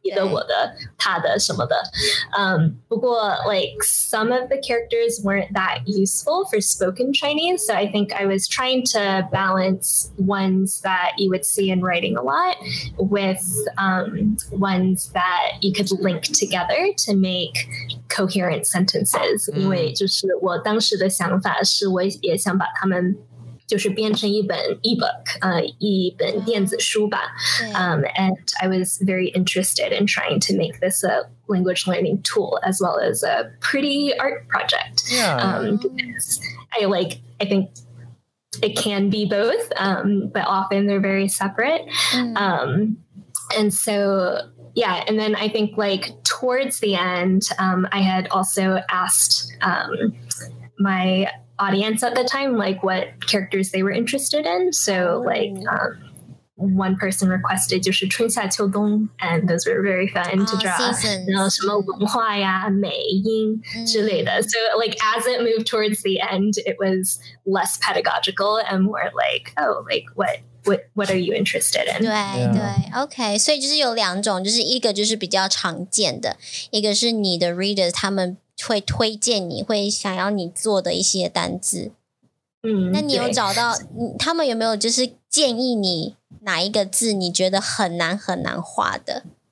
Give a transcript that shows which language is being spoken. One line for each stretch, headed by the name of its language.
Chinese: 你的我的他的什么的不过
English: like some of the characters weren't that useful for spoken Chinese. So I think I was trying to balance ones that you would see in writing a lot with ones that you could link together to make coherent sentences.
Chinese: 因为就是我当时的想法是我也想把他们就是编成一本 e-book, 一本电子书吧。
English: And I was very interested in trying to make this a language learning tool as well as a pretty art project. Yeah. I think it can be both, but often they're very separate. And so, yeah, and then I think like towards the end, I had also asked my... audience at the time, like what characters they were interested in. So like one person requested
Chinese: 就是春夏秋冬
English: and those were very fun to draw. Seasons.
Chinese: 什么文化呀美音之类的
English: So like as it moved towards the end, it was less pedagogical and more like, oh, like what are you interested in?
Chinese: 对、yeah. 对 OK, 所以就是有两种就是一个就是比较常见的一个是你的 readers 他们会推荐你会想要你做的一些单字那你有找到他们有没有就是建议你哪一个字你觉得很难很难画的